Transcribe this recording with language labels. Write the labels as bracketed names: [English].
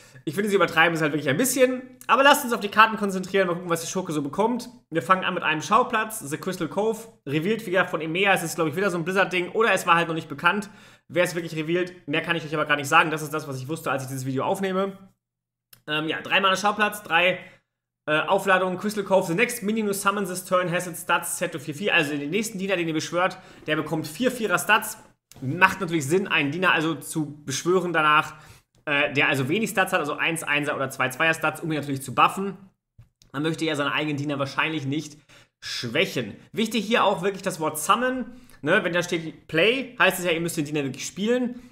[German] Ich finde, sie übertreiben es halt wirklich ein bisschen. Aber lasst uns auf die Karten konzentrieren, mal gucken, was die Schurke so bekommt. Wir fangen an mit einem Schauplatz, The Crystal Cove. Revealed wieder von Emea, es ist, glaube ich, wieder so ein Blizzard-Ding. Oder es war halt noch nicht bekannt, wer es wirklich revealed. Mehr kann ich euch aber gar nicht sagen. Das ist das, was ich wusste, als ich dieses Video aufnehme. Ja, dreimal ein Schauplatz, drei. [English] Aufladung, Crystal Cove, the next minion who summons this turn has its stats set to 4-4. [German] Also den nächsten Diener, den ihr beschwört, der bekommt 4-4er Stats. Macht natürlich Sinn, einen Diener also zu beschwören danach, der also wenig Stats hat, also 1-1er oder 2-2er Stats, um ihn natürlich zu buffen. Man möchte ja seinen eigenen Diener wahrscheinlich nicht schwächen. Wichtig hier auch wirklich das Wort summon. Ne? Wenn da steht Play, heißt es ja, ihr müsst den Diener wirklich spielen.